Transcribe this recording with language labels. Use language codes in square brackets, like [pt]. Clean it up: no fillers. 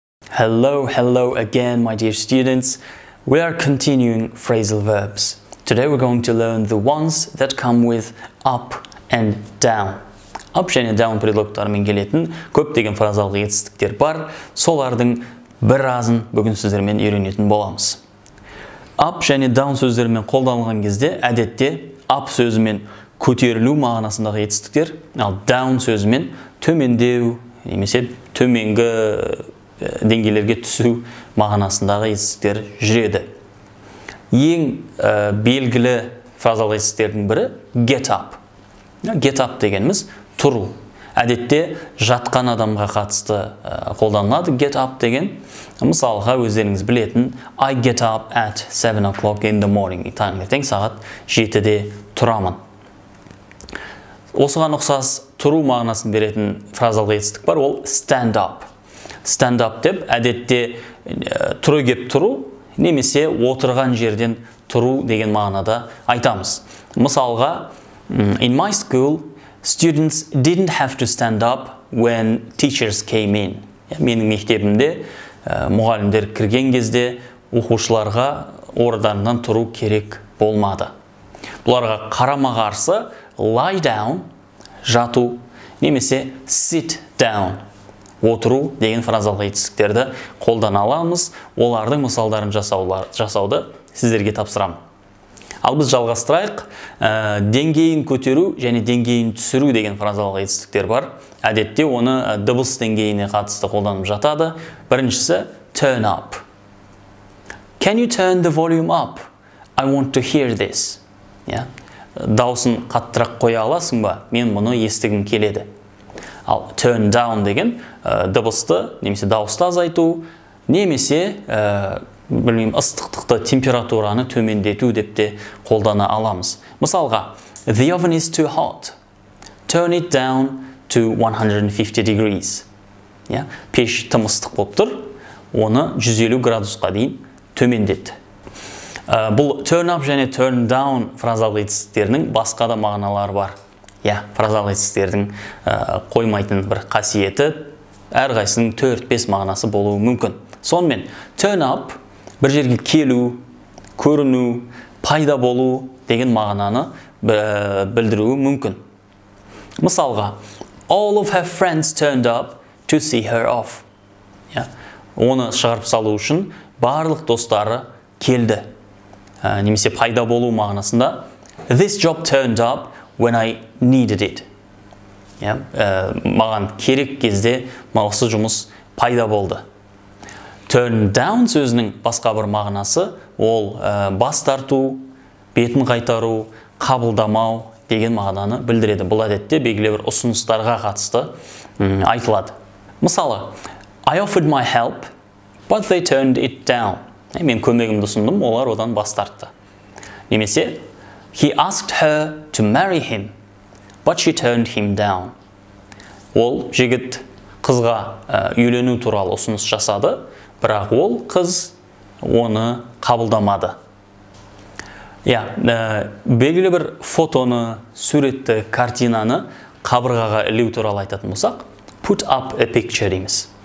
[en] Hello, hello again, my dear students. We are continuing phrasal verbs. Today we're going to learn the ones that come with up and down. [kk] Up және down предлогтарымен келетін көп деген фразалық етістіктер бар. Солардың біразын бүгін сіздермен үйренетін боламыз. Up және down сөздерімен қолданылған кезде әдетте up сөзімен көтерілу мағынасындағы етістіктер, ал down сөзімен төмендеу, немесе төменгі деңгейлерге түсу мағынасындағы есіктер жүреді. Ең белгілі фразал есіктердің бірі get up. Get up дегеніміз тұру. Әдетте жатқан адамға қатысты қолданылады get up деген. Мысалға өздеріңіз білетін [en] I get up at 7 o'clock in the morning. [kk] Таңертең сағат 7-де тұрамын. Осыған ұқсас тұру мағынасын беретін фразал есіктік бар, ол stand up. Stand up деп, әдетте түрегеп тұру, немесе отырған жерден тұру деген мағынада айтамыз. Мысалға, [en] in my school, students didn't have to stand up when teachers came in. [kk] Менің мектебімде мұғалімдер кірген кезде оқушыларға орындарынан тұру керек болмады. Бұларға қарама қарсы, lie down, жату, немесе sit down. Отыру деген фразалық етістіктерді қолдана аламыз. Олардың мысалдарын жасауды сіздерге тапсырамын. Ал біз жалғастырайық. Деңгейін көтеру және деңгейін түсіру деген фразалық етістіктер бар. Әдетте оны дыбыс деңгейіне қатысты қолданып жатады. Біріншісі [en] turn up. Can you turn the volume up? I want to hear this. [kk] Даусын қаттырақ қоя аласың ба? Мен мұны естігім келеді. Ал turn down деген дыбысты, немесе дауысты азайту, немесе ыстықтықты, температураны төмендету деп те қолдана аламыз. Мысалға, [en] the oven is too hot. Turn it down to 150 degrees. [kk] Пеш тым ыстық болып тұр, оны 150 градусқа дейін төмендет. Бұл turn up және turn down фразалық етістіктерінің басқа да мағыналары бар. Фразалық етістіктердің қоймайтын бір қасиеті, әрқайсының 4-5 мағынасы болуы мүмкін. Сонымен, turn up, бір жерге келу, көріну, пайда болу деген мағынаны білдіруі мүмкін. Мысалға, [en] all of her friends turned up to see her off. [kk] Оны шығарып салу үшін барлық достары келді. Немесе пайда болу мағынасында, [en] this job turned up when I needed it. [kk] Маған керек кезде маусы жұмыс пайда болды. Turn down сөзінің басқа бір мағынасы ол бас тарту, бетін қайтару, қабылдамау деген мағынаны білдіреді. Бұл әдетте белгілі бір ұсыныстарға қатысты айтылады. Мысалы, [en] I offered my help, but they turned it down. [kk] Мен көмегімді ұсындым, олар одан бас тартты. Немесе, [en] he asked her to marry him, but she turned him down. [kk] Ол жігіт қызға үйлену туралы ұсыныс жасады, бірақ ол қыз оны қабылдамады. Белгілі бір фотоны, суретті, картинаны қабырғаға ілу туралы айтатын болсақ, [en] put up a picture [kk] дейміз.